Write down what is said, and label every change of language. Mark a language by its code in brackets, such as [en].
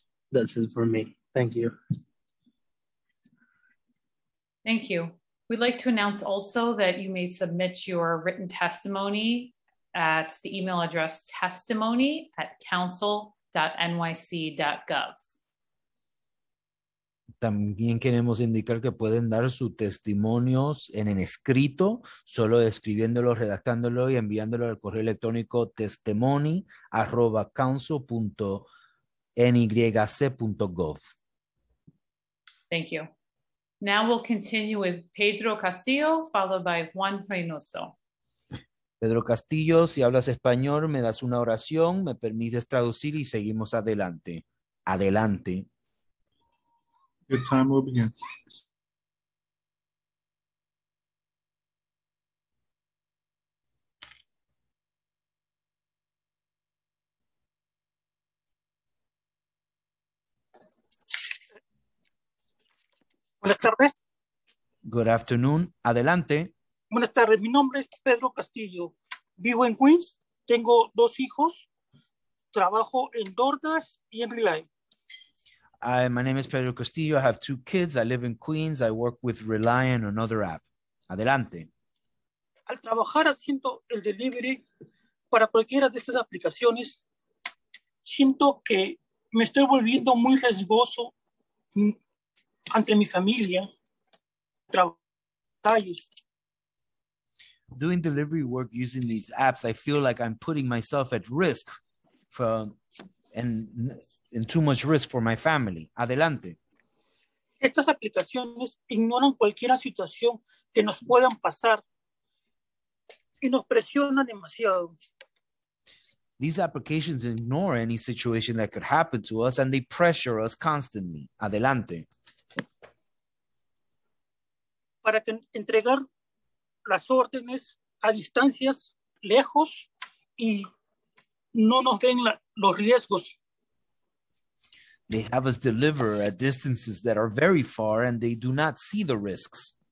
[en] That's it for me. Thank you. Thank you. We'd like to announce also that you may submit your written testimony at the email address testimony@council.nyc.gov. [es] También queremos indicar que pueden dar sus testimonios en escrito, solo escribiéndolo, redactándolo y enviándolo al correo electrónico testimony@council.nyc.gov. [en] Thank you. Now we'll continue with Pedro Castillo, followed by Juan Reynoso. [es] Pedro Castillo, si hablas español, me das una oración, me permites traducir y seguimos adelante. Adelante. [en] Your time will begin. [es] Buenas tardes. [en] Good afternoon. [es] Adelante. Buenas tardes. Mi nombre es Pedro Castillo. Vivo en Queens. Tengo dos hijos. Trabajo en DoorDash y en Relay. [en] My name is Pedro Castillo. I have two kids. I live in Queens. I work with Relay and another app. [es] Adelante. Al trabajar haciendo el delivery para cualquiera de estas aplicaciones, siento que me estoy volviendo muy riesgoso ante mi familia, trabajos. [en] Doing delivery work using these apps, I feel like I'm putting myself at risk and too much risk for my family. [es] Adelante. Estas aplicaciones ignoran cualquier situación que nos puedan pasar y nos presionan demasiado. [en] These applications ignore any situation that could happen to us and they pressure us constantly. [es] Adelante. Para entregar las órdenes a distancias lejos y no nos den los riesgos. [en] They have us deliver at distances that are very far and they do not see the risks.